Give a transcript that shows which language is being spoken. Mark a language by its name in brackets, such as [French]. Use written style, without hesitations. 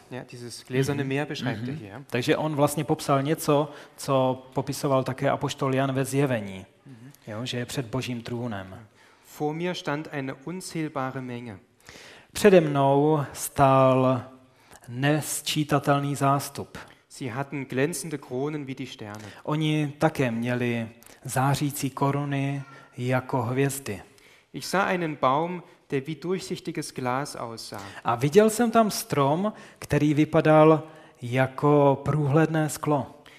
[German] Ja, dieses gläserne Meer beschreibt er hier. [Czech] Takže on vlastně popsal něco, co popisoval také apoštol Jan ve zjevení. Jo, že je před Božím trůnem. [German] Vor mir stand eine unzählbare Menge. [Czech] Přede mnou stál nesčítatelný zástup. [German] Sie hatten glänzende Kronen wie die Sterne. [Czech] Oni také měli zářící koruny jako hvězdy. [German] Ich sah einen Baum, der wie durchsichtiges Glas aussah. [Czech] A viděl jsem tam strom, který vypadal jako průhledné sklo.